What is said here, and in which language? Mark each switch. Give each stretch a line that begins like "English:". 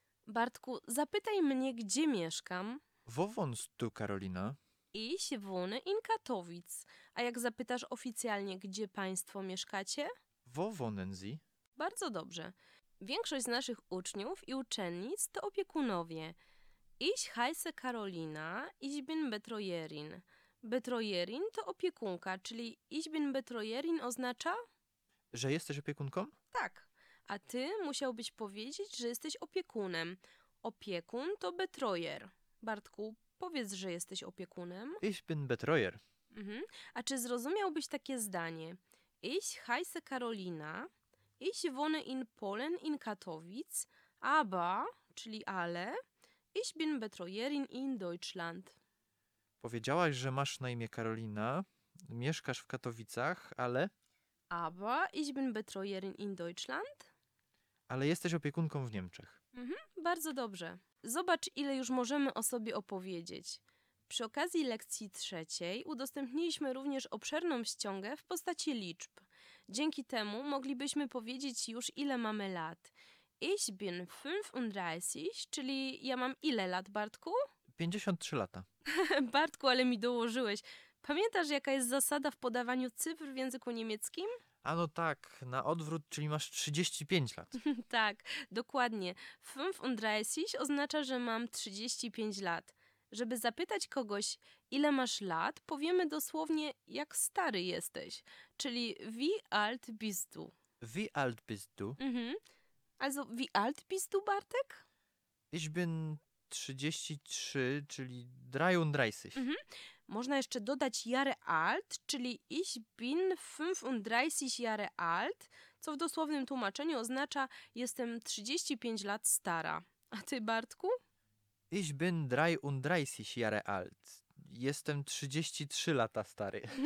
Polish: Bartku, zapytaj mnie, gdzie mieszkam.
German: Wo wohnst du, Karolina? Ich wohne in Katowice.
Polish: A jak zapytasz oficjalnie, gdzie państwo mieszkacie?
German: Wo wohnen Sie?
Polish: Bardzo dobrze. Większość z naszych uczniów i uczennic to opiekunowie.
German: Ich heiße Karolina, ich bin Betreuerin.
Polish: Betreuerin to opiekunka, czyli
German: ich bin Betreuerin
Polish: oznacza? Że jesteś opiekunką? Tak. A ty musiałbyś powiedzieć, że jesteś opiekunem. Opiekun to Betreuer. Bartku, powiedz, że jesteś opiekunem.
German: Ich bin Betreuer. Mhm.
Polish: A czy zrozumiałbyś takie zdanie?
German: Ich heiße Carolina. Ich wohne in Polen in Katowice. Aber,
Polish: czyli ale,
German: ich bin Betreuerin in Deutschland.
Polish: Powiedziałaś, że masz na imię Karolina, mieszkasz w Katowicach, ale...
German: Aber ich bin Betreuerin in Deutschland.
Polish: Ale jesteś opiekunką w Niemczech. Mhm, bardzo dobrze. Zobacz, ile już możemy o sobie opowiedzieć. Przy okazji lekcji 3 udostępniliśmy również obszerną ściągę w postaci liczb. Dzięki temu moglibyśmy powiedzieć już, ile mamy lat.
German: Ich bin 35,
Polish: czyli ja mam ile lat, Bartku? 53 lata. Bartku, ale mi dołożyłeś. Pamiętasz, jaka jest zasada w podawaniu cyfr w języku niemieckim? Ano tak, na odwrót, czyli masz 35 lat. Tak, dokładnie. 35 oznacza, że mam 35 lat. Żeby zapytać kogoś, ile masz lat, powiemy dosłownie, jak stary jesteś. Czyli
German: wie alt bist du? Wie alt bist du? Mhm. Also, wie alt bist du, Bartek? Ich bin 33,
Polish: czyli 33. Mhm. Można jeszcze dodać
German: Jahre alt,
Polish: czyli
German: ich bin 35 Jahre alt,
Polish: co w dosłownym tłumaczeniu oznacza jestem 35 lat stara. A ty, Bartku?
German: Ich bin 33 Jahre alt.
Polish: Jestem 33 lata stary.